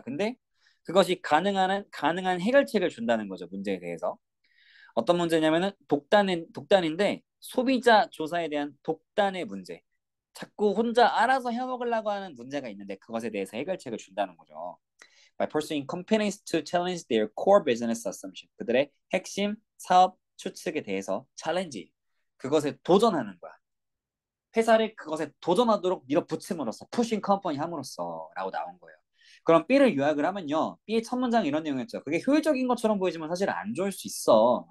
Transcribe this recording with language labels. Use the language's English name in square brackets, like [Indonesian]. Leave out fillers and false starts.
[Korean] 근데 그것이 가능한 해결책을 준다는 거죠. 문제에 대해서. 어떤 문제냐면은 독단인데 소비자 조사에 대한 독단의 문제. 자꾸 혼자 알아서 해 먹으려고 하는 문제가 있는데 그것에 대해서 해결책을 준다는 거죠. [English] By pursuing companies to challenge their core business assumption. [Korean] 그들의 핵심 사업 추측에 대해서 챌린지. 그것에 도전하는 거야. 회사를 그것에 도전하도록 밀어붙임으로써 [English] pushing company [Korean] 함으로써라고 나온 거예요. 그럼 B를 요약을 하면요. B의 첫 문장 이런 내용이었죠. 그게 효율적인 것처럼 보이지만 사실 안 좋을 수 있어.